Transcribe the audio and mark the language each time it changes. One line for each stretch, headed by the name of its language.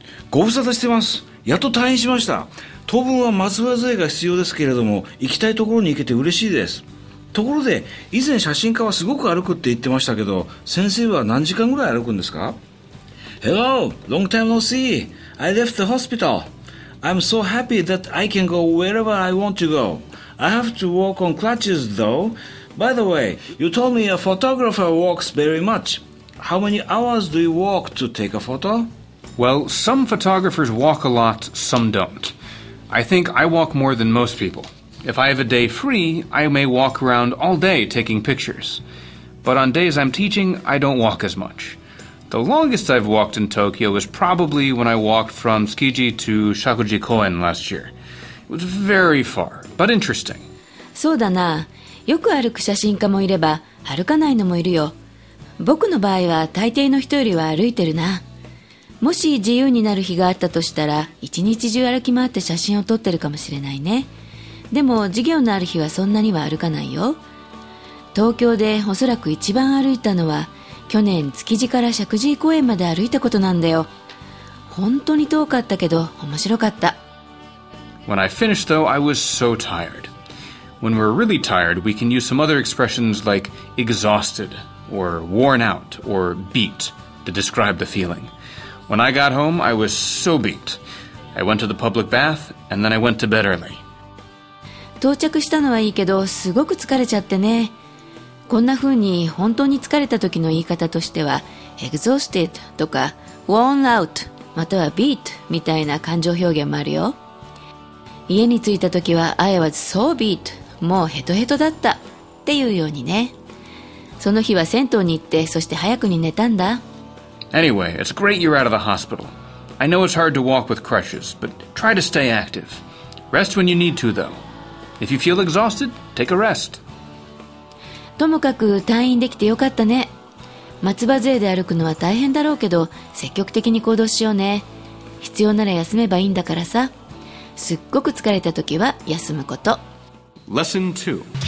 Japanese: ご無沙汰してます。やっと退院しました。当分は松葉杖が必要ですけれども行きたいところに行けて嬉しいです。ところで以前写真家はすごく歩くって言ってましたけど先生は何時間ぐらい歩くんですか？
English: Hello, long time no see. I left the hospital. I'm so happy that I can go wherever I want to go. I have to walk on crutches though. By the way, you told me a photographer walks very much. How many hours do you walk to take a photo Well, some photographers walk a lot, some don't. I think I walk more than most people. If I have a day free, I may walk around all day taking pictures. But on days I'm teaching, I don't walk as much. The longest I've walked in Tokyo was probably when I walked from Tsukiji to Shakuji Koen last year. It was very far, but interesting.
Japanese: そうだな。よく歩く写真家もいれば、歩かないのもいるよ。僕の場合は大抵の人よりは歩いてるな。もし自由になる日があったとしたら一日中歩き回って写真を撮ってるかもしれないね。でも授業のある日はそんなには歩かないよ。東京でおそらく一番歩いたのは去年築地から石神井公園まで歩いたことなんだよ。本当に遠かったけど面白かった。
English: When I finished though, I was so tired. When we're really tired, we can use some other expressions like exhausted or worn out or beat to describe the feelingWhen I got home, I was so beat. I went to the public bath, and then I went to bed early.
Japanese: 到着したのはいいけど、すごく疲れちゃってね。こんな風に本当に疲れた時の言い方としては、exhausted とか worn out または beat みたいな感情表現もあるよ。家に着いた時は、
English: I was so beat.
Japanese: もうヘトヘトだったっていうようにね。その日は銭湯に行って、そして早くに寝たんだ。
English: Anyway, it's great you're out of the hospital. I know it's hard to walk with crutches, but try to stay active. Rest when you need to, though. If you feel exhausted, take a rest.
Japanese: ともかく退院できてよかったね。松葉杖で歩くのは大変だろうけど、積極的に行動しようね。必要なら休めばいいんだからさ。すっごく疲れた時は休むこと。
English: Lesson 2.